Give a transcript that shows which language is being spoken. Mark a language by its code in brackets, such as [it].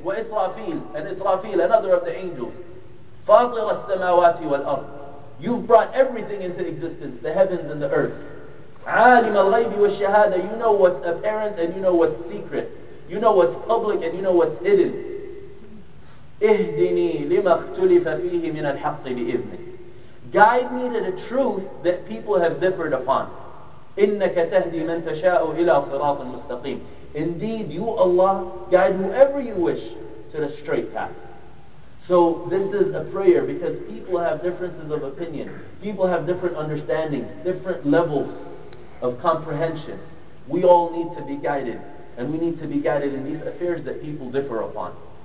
[en] Wa Israfil, and Israfil, another of the angels. Fatir as-samawati wal-ard, you've brought everything into existence, the heavens and the earth. [ar] عالم الغيب والشهادة, [en] you know what's apparent and you know what's secret. You know what's public and you know what's hidden. [ar] اهدني لما اختلف فيه من الحق بإذنك. [en] Guide me to the truth that people have differed upon. [ar] إنك تهدي من تشاء إلى صراط مستقيم. [en] Indeed, you Allah, guide whoever you wish to the straight path. So this is a prayer because people have differences of opinion. People have different understandings, different levels of comprehension. We all need to be guided, and we need to be guided in these affairs that people differ upon.